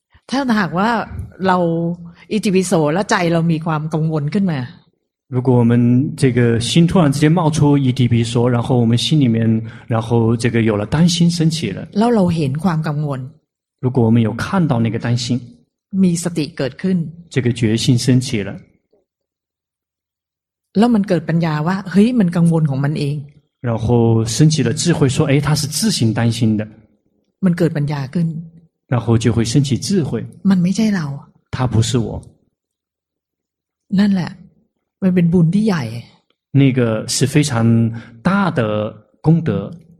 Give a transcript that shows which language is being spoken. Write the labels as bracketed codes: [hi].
[th] ถ้าหากว่าเราอิจิปิโสแล้วใจเรามีความกังวลขึ้นมา [zh] 如果我们这个心突然之间冒出 EDB 说然后我们心里面然后这个有了担心升起了 [th] แล้วเราเห็นความกังวล [zh] 如果我们有看到那个担心 [th] มีสติเกิดขึ้น [zh] 这个决心升起了 [th] แล้วมันเกิดปัญญาว่าเฮ้ยมันกังวลของมันเอง [zh] 然后升起了智慧说哎它是自行担心的 [th] มันเกิดปัญญาขึ้น [zh] 然后就会升起智慧 [th] มันไม่ใช่เรา [zh] 它不是我 [th] นั่นแหละมันเป็นบุญที่ใหญ่ [zh] 那个是非常大的功德